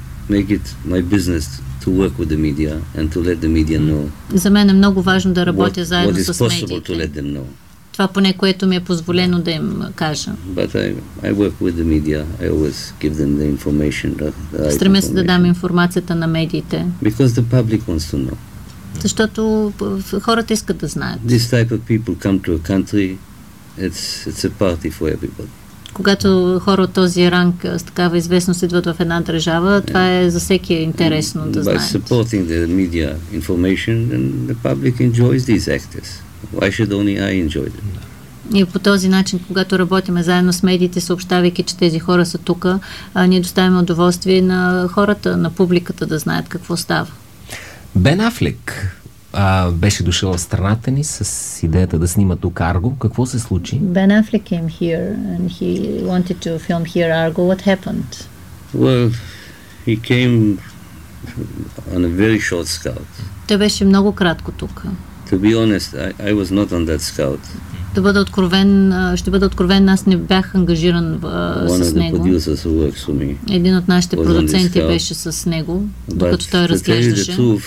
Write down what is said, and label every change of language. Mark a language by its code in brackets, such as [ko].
[en] Make it my business to work with the media and to let the media know. [bg] За мен е много важно да работя заедно с медиите. Това поне, което ми е позволено да им кажа. [en] But I work with the media. I always give them the information. [bg] Стремя се да дам информацията на медиите. [en] Because the public wants to know. [bg] Защото хората искат да знаят. [en] This type of people come to a country, it's a party for everybody. [bg] Когато хора от този ранг с такава известност идват в една държава, това е за всеки интересно да знаят. [en] By supporting the media information, and the public enjoys these actors. Why should only I enjoy them? [bg] И по този начин, когато работим заедно с медиите, съобщавайки, че тези хора са тука, ние доставяме удоволствие на хората, на публиката да знаят какво става. Бен Афлек беше дошъл в страната ни с идеята да снима тук Арго. Какво се случи? [en] Бен Афлек came here and he wanted to film here Argo. What happened? Well, he came on a very short scout. [bg] Той беше много кратко тук. [en] To be honest, I was not on that scout. [bg] Да бъда откровен, ще бъда откровен, аз не бях ангажиран с него. Един от нашите продуценти беше с него, докато той разглеждаше.